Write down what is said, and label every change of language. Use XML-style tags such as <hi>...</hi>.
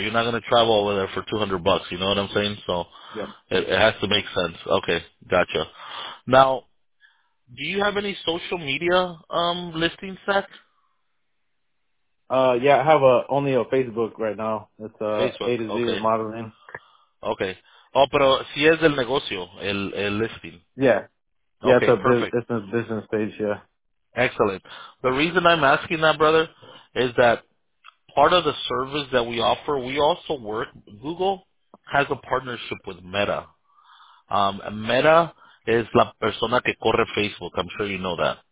<en>You're not going to travel over there for $200, you know what I'm saying? So it has to make sense. Okay, gotcha. Now, do you have any social media listing set? Yeah, I have only a Facebook right now. It's Facebook. A to Z Modeling. Okay.</en> <es>Oh, pero si es el negocio, el listing.</es> <en>Yeah, okay, it's a perfect. It's a business page, yeah. Excellent. The reason I'm asking that, brother, is that part of the service that we offer, we also work. Google has a partnership with Meta. Meta is</en> <es>la persona que corre Facebook.</es> <en>I'm sure you know that.</en>